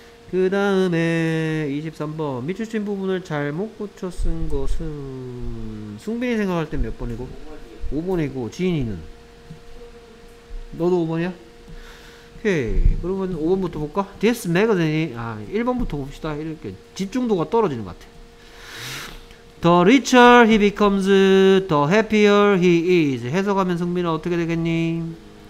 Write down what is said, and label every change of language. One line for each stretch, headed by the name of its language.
Korean: 그 다음에 23번 밑줄 친 부분을 잘못 고쳐 쓴 것은 승빈이 생각할 때 몇 번이고? 5번이고 지인이는? 너도 5번이야? 오케이. 그러면 5번부터 볼까? This magazine이 아 1번부터 봅시다. 이렇게 집중도가 떨어지는 것 같아.
English: The richer he becomes the happier he is.
Korean: 해석하면 승빈아 어떻게 되겠니?